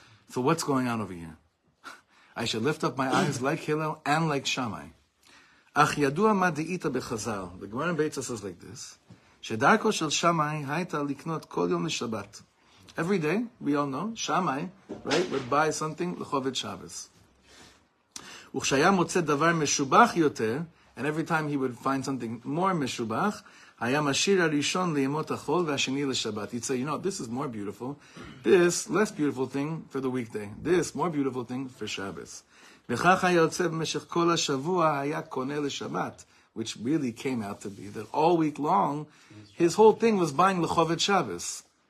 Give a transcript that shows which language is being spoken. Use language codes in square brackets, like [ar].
[en] So what's going on over here? I should lift up my eyes like Hillel and like Shammai. [he] Ach yadua ma de'ita bechazal. [en] The Gemara in Beitza says like this. [he] Shedarko shel Shammai haita liknot kol yom shabbat. [en] Every day, we all know, Shammai, right, would buy something, L'chovet Shabbos. [he] וכשהיה מוצא דבר משובח יותר, [en] and every time he would find something more [he] משובח, היה משאיר הראשון לימות החול והשני לשבת. [en] He'd say, you know, this is more beautiful. This, less beautiful thing for the weekday. This, more beautiful thing for Shabbos. [he] וכך היה יוצא במשך כל השבוע, היה קונה לשבת, [en] which really came out to be that all week long, his whole thing was buying לחובת Shabbos.